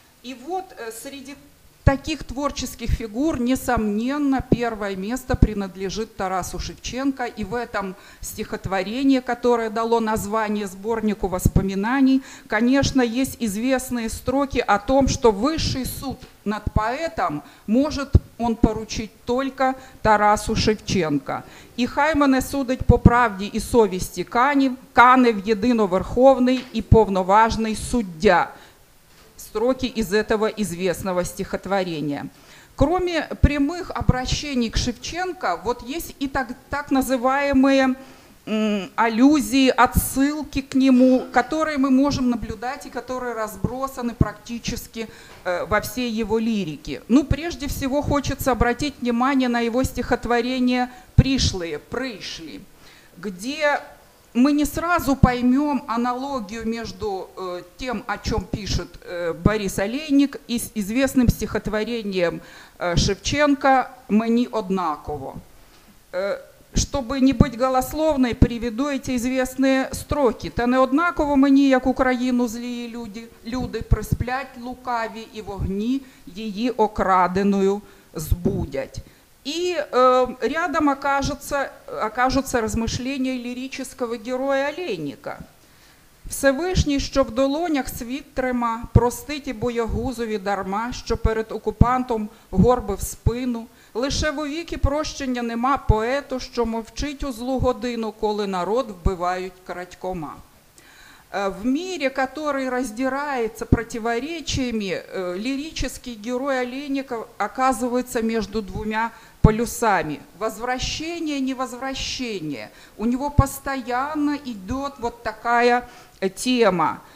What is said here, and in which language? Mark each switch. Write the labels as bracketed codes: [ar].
[ru] И вот среди таких творческих фигур, несомненно, первое место принадлежит Тарасу Шевченко, и в этом стихотворении, которое дало название сборнику воспоминаний, конечно, есть известные строки о том, что высший суд над поэтом может он поручить только Тарасу Шевченко. [uk] «И хаймане судить по правді і совісті кане в єдино верховний і повноважний суддя». [ru] Строки из этого известного стихотворения. Кроме прямых обращений к Шевченко, вот есть и так называемые аллюзии, отсылки к нему, которые мы можем наблюдать и которые разбросаны практически во всей его лирике. Ну, прежде всего, хочется обратить внимание на его стихотворение «Пришли», где мы не сразу поймем аналогию между тем, о чем пишет Борис Олейник, и известным стихотворением Шевченко «Мы не однаково». Чтобы не быть голословной, приведу эти известные строки. [uk] «Та не однаково мені, як Україну злії люди, присплять лукаві і вогні її окраденою збудять». [ru] И рядом окажутся размышления лирического героя Олейника. [uk] «Всевышний, що в долонях світ трима, простить і боягузові дарма, що перед окупантом горби в спину, лише в увіки прощення нема поету, що мовчить у злу годину, коли народ вбивають крадькома». [ru] В мире, который раздирается противоречиями, лирический герой Олейника оказывается между двумя полюсами. Возвращение, невозвращение. У него постоянно идет вот такая тема.